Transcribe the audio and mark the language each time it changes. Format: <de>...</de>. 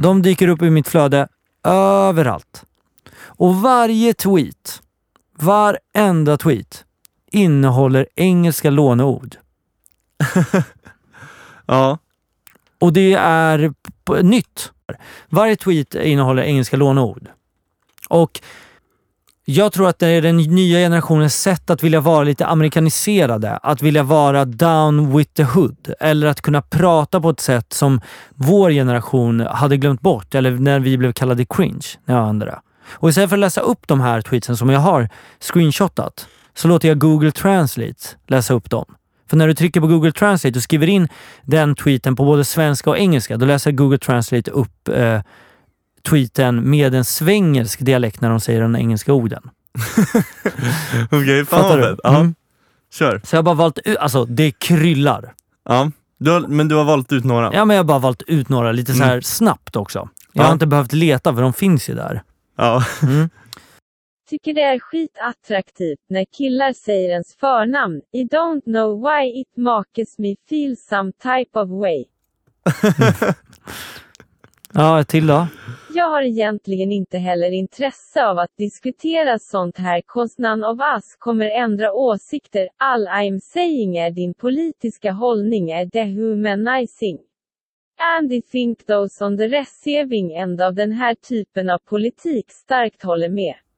<sv>De dyker upp i mitt flöde överallt. Och varje tweet, varenda tweet, innehåller engelska låneord. Ja. Och det är nytt. Varje tweet innehåller engelska låneord. Och jag tror att det är den nya generationens sätt att vilja vara lite amerikaniserade. Att vilja vara</sv> <en>down with the hood.</en> <sv>Eller att kunna prata på ett sätt som vår generation hade glömt bort. Eller när vi blev kallade cringe, när jag andra. Och istället för att läsa upp de här tweetsen som jag har screenshotat, så låter jag Google Translate läsa upp dem. För när du trycker på Google Translate och skriver in den tweeten på både svenska och engelska, då läser Google Translate upp tweeten med en svengelsk dialekt när de säger den engelska orden. Okej, okay, fattar du? Ja, kör. Så jag har bara valt ut, alltså det kryllar. Ja, du har valt ut några. Ja, men jag har bara valt ut några lite så här snabbt också. Jag har inte behövt leta, för de finns ju där. Ja. Tycker det är skitattraktivt när killar säger ens förnamn.</sv> <en>I don't know why it makes me feel some type of way.</en> <sv>Ja, ett till då. Jag har egentligen inte heller intresse av att diskutera sånt här. Kostnaden av oss kommer ändra åsikter.</sv> <en>All I'm saying</en> <sv>är din politiska hållning är dehumanizing.</sv> <en>Andy think those on the receiving end</en> <sv>av den här typen av politik starkt håller med.</sv>